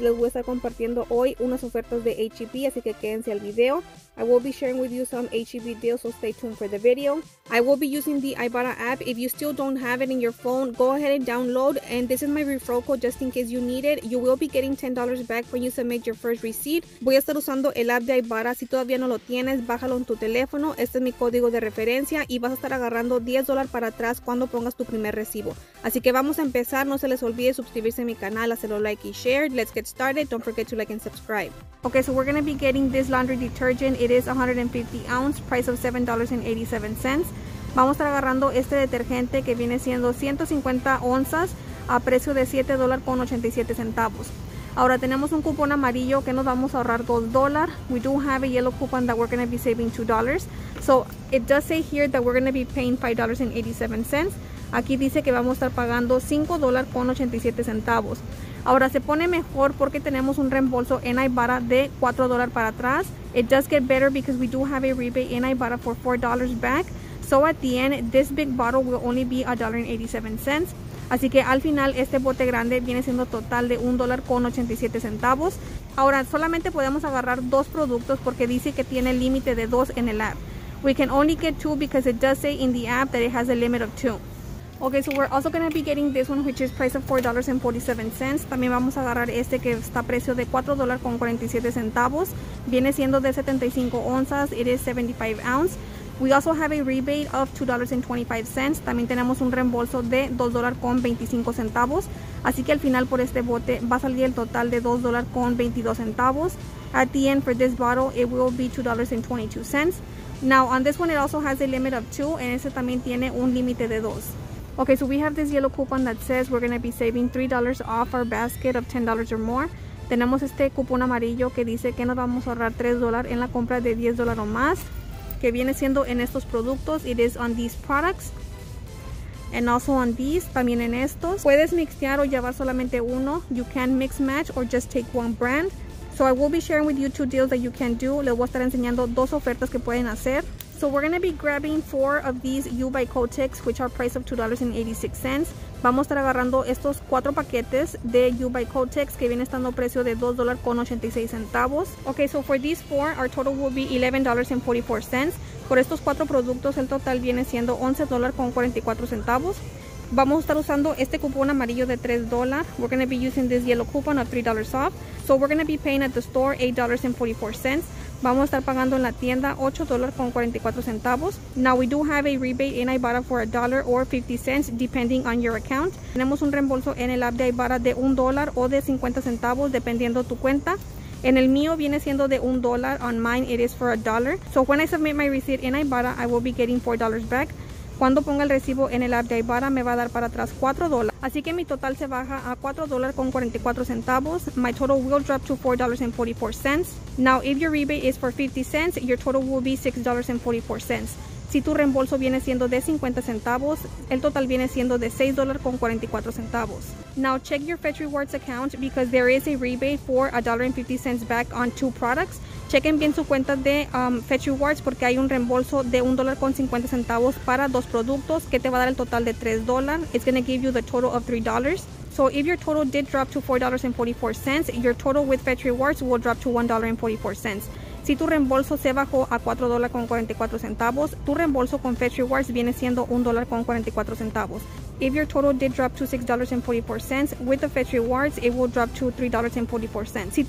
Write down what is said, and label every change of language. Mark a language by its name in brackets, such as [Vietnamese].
[Spanish] Les voy a estar compartiendo hoy unas ofertas de HEB, así que quédense al video. [English] I will be sharing with you some HEB deals, so stay tuned for the video. I will be using the Ibotta app. If you still don't have it in your phone, go ahead and download. And this is my referral code just in case you need it. You will be getting $10 back when you submit your first receipt. [Spanish] Voy a estar usando el app de Ibotta. Si todavía no lo tienes, bájalo en tu teléfono. Este es mi código de referencia y vas a estar agarrando $10 para atrás cuando pongas tu primer recibo. Así que vamos a empezar. No se les olvide suscribirse a mi canal, hacerlo like y share. [English] Let's get started. Don't forget to like and subscribe. Okay, so we're going to be getting this laundry detergent. It is 150 ounce, price of $7.87. [Spanish] Vamos a estar agarrando este detergente que viene siendo 150 onzas a precio de $7.87. Ahora tenemos un cupón amarillo que nos vamos a ahorrar $2. [English] We do have a yellow coupon that we're going to be saving $2. So it does say here that we're going to be paying $5.87. [Spanish] Aquí dice que vamos a estar pagando $5.87. Ahora se pone mejor porque tenemos un reembolso en Ibotta de $4 para atrás. [English] It does get better because we do have a rebate in Ibotta for $4 back. So at the end, this big bottle will only be $1.87. [Spanish] Así que al final este bote grande viene siendo total de $1.87. Ahora solamente podemos agarrar dos productos porque dice que tiene límite de dos en el app. [English] We can only get two because it does say in the app that it has a limit of two. Okay, so we're also going to be getting this one, which is price of $4.47. [Spanish] También vamos a agarrar este que está a precio de $4.47. Viene siendo de 75 onzas. [English] It is 75 ounce. We also have a rebate of $2.25. [Spanish] También tenemos un reembolso de $2.25. Así que al final por este bote va a salir el total de $2.22. At the end for this bottle, it will be $2.22. [English] Now, on this one, it also has a limit of two. [Spanish] En este también tiene un límite de dos. [English] Okay, so we have this yellow coupon that says we're going to be saving $3 off our basket of $10 or more. [Spanish] Tenemos este cupón amarillo que dice que nos vamos a ahorrar $3 en la compra de $10 o más, que viene siendo en estos productos. [English] It is on these products. And also on these, [Spanish] también en estos. Puedes mixear o llevar solamente uno. [English] You can mix match or just take one brand. So I will be sharing with you two deals that you can do. [Spanish] Les voy a estar enseñando dos ofertas que pueden hacer. [English] So we're going to be grabbing four of these U by Kotex, which are price of $2.86. [Spanish] Vamos a estar agarrando estos cuatro paquetes de U by Kotex que viene estando a precio de $2.86. [English] Okay, so for these four, our total will be $11.44. [Spanish] Por estos cuatro productos, el total viene siendo $11.44. Vamos a estar usando este cupón amarillo de $3. [English] We're going to be using this yellow coupon of $3 off. So we're going to be paying at the store $8.44. [Spanish] Vamos a estar pagando en la tienda $8.44. [English] Now we do have a rebate in Ibotta for $1 or $0.50 depending on your account. [Spanish] Tenemos un reembolso en el app de Ibotta de $1 o de $0.50 dependiendo tu cuenta. En el mío viene siendo de $1. [English] On mine it is for $1. So when I submit my receipt in Ibotta, I will be getting $4 back. [Spanish] Cuando ponga el recibo en el app de Ibotta, me va a dar para atrás $4. Así que mi total se baja a $4.44. [English] My total will drop to $4.44. Now, if your rebate is for $0.50, your total will be $6.44. [Spanish] Si tu reembolso viene siendo de $0.50, el total viene siendo de $6.44. [English] Now, check your Fetch Rewards account because there is a rebate for $1.50 back on two products. [Spanish] Chequen bien su cuenta de Fetch Rewards porque hay un reembolso de $1.50 para dos productos que te va a dar el total de $3. [English] It's going to give you the total of $3. So if your total did drop to $4.44, your total with Fetch Rewards will drop to $1.44. [Spanish] Si tu reembolso se bajó a $4.44, tu reembolso con Fetch Rewards viene siendo $1.44. [English] If your total did drop to $6.44, with the Fetch Rewards, it will drop to $3.44.